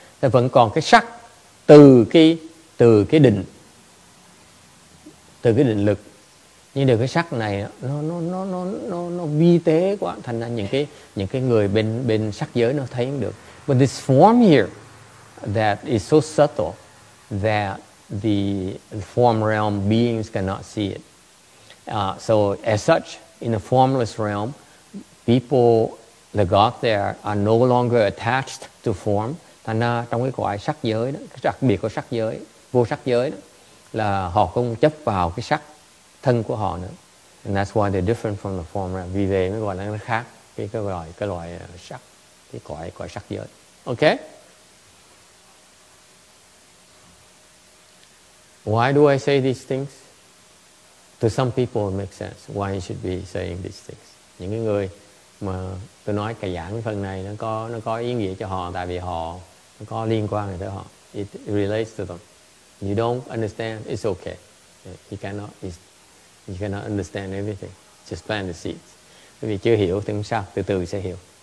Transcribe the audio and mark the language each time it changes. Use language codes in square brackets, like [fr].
[vi] Thì vẫn còn cái sắc từ cái định lực. Nhưng được cái sắc này nó vi tế quá, thành ra những cái người bên sắc giới nó thấy không được. [en] But this form here that is so subtle that the form realm beings cannot see it. So as such, in the formless realm, people, the God there, are no longer attached to form. [vi] Thành ra trong cái cõi sắc giới đó, cái đặc biệt của sắc giới, vô sắc giới đó, là họ không chấp vào cái sắc thân của họ nữa. [en] And that's why they're different from the form realm. [vi] Vì vậy mới gọi là nó khác cái loại sắc, cái cõi sắc giới. [en] Okay? Why do I say these things? To some people it makes sense why you should be saying these things. [vi] Những cái người mà tôi nói cả giảng phần này nó có ý nghĩa cho họ, tại vì họ nó có liên quan tới họ. [en] It relates to them. You don't understand, it's okay. You cannot understand everything. Just plant the seeds. [vi] Bởi vì chưa hiểu thì không sao, từ từ sẽ hiểu.